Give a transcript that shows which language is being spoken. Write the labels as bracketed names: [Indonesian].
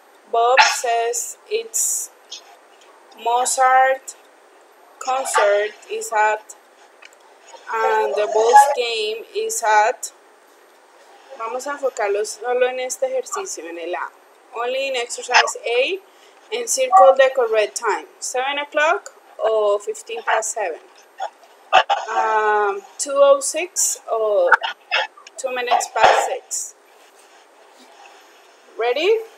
[English] Bob says it's Mozart concert is at, and the Bulls game is at. [Spanish] Vamos a enfocarlos solo en este ejercicio, en el A. [English] Only in exercise A, and circle the correct time. 7 o'clock o 15 past 7. 2:06 or 2 minutes past 6. Ready?